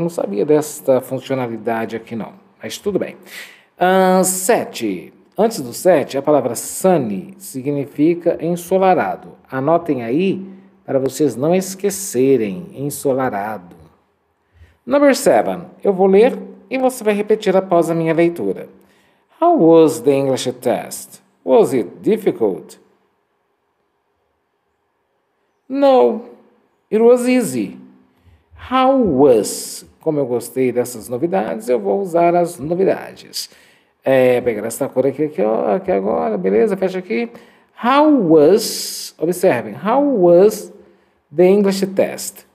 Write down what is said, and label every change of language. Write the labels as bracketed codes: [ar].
[pt] Não sabia desta funcionalidade aqui, não. Mas tudo bem. Sete. Antes do 7, a palavra sunny significa ensolarado. Anotem aí para vocês não esquecerem, ensolarado. Number 7, eu vou ler e você vai repetir após a minha leitura. [en] How was the English test? Was it difficult? No, it was easy. How was? [pt] Como eu gostei dessas novidades, eu vou usar as novidades. É, pegar essa cor aqui agora, beleza, fecha aqui. [en] How was, [pt] observem, [en] how was the English test?